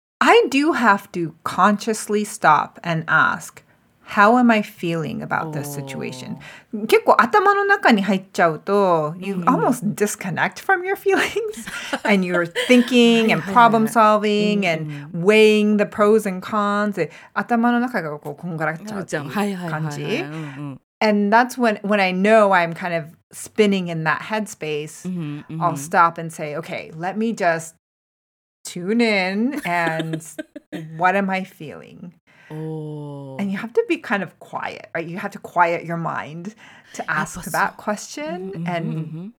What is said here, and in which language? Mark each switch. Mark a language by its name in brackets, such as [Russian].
[English] I do have to consciously stop and ask, how am I feeling about、oh. this situation? [Japanese] 結構頭の中に入っちゃうと、you、mm-hmm. [English] almost disconnect from your feelings. And you're thinking and problem solving and weighing the pros and cons. [Japanese] 頭の中がこうこんがらっちゃうっていう感じ。 [English] And that's when I know I'm kind of spinning in that headspace, mm-hmm. I'll stop and say, okay, let me just tune in and what am I feeling? Oh. And you have to be kind of quiet, right? You have to quiet your mind to ask that question、mm-hmm, and、mm-hmm.